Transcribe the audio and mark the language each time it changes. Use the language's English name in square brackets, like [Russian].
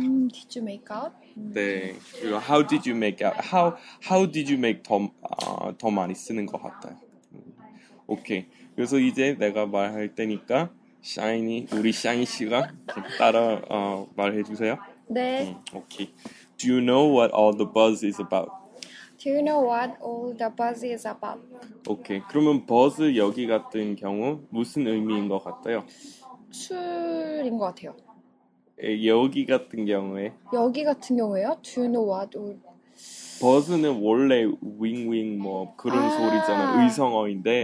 [English] Did you make out? [Korean] 네. 그리고 [English] How did you make out? How did you make [Korean] 더 많이 쓰는 것 같아요. 오케이. 그래서 이제 내가 말할 때니까 샤이니 우리 샤이니 씨가 따라 말해주세요. 네. 오케이. [English] Do you know what all the buzz is about? Do you know what all the buzz is about? [Korean] 오케이. 그러면 버즈 여기 같은 경우 무슨 의미인 것 같아요? 술인 것 같아요. 여기 같은 경우에? 여기 같은 경우에요? [English] Do you know what all... [Korean] 버즈는 원래 윙윙 뭐 그런 소리잖아. 의성어인데